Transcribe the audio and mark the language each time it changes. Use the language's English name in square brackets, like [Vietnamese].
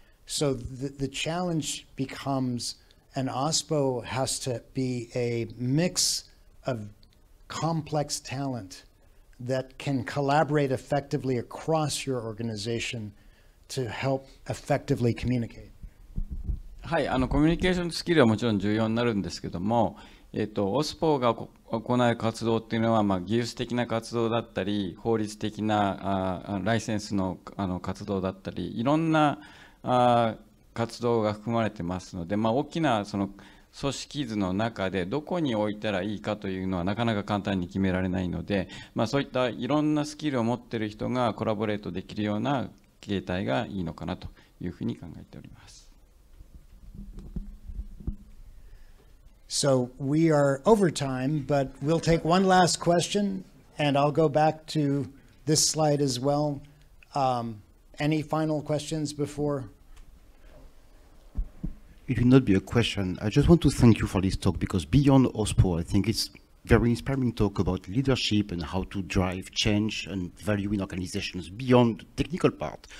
[English] So the challenge becomes an OSPO has to be a mix of complex talent that can collaborate effectively across your organization to help effectively communicate. [Japanese] はい、コミュニケーションスキルはもちろん重要になるんですけども、OSPO が行う活動っていうのは、まあ、技術的な活動だったり、法律的なライセンスの活動だったり、いろんな活動が含まれてますので、まあ、大きなその組織図の中でどこに置いたらいいかというのはなかなか簡単に決められないので、まあ、そういったいろんなスキルを持っている人がコラボレートできるような形態がいいのかなというふうに考えております。 [English] So we are over time, but we'll take one last question, and I'll go back to this slide as well. Any final questions before? It will not be a question. I just want to thank you for this talk, because beyond OSPO, I think it's very inspiring talk about leadership and how to drive change and value in organizations beyond the technical part.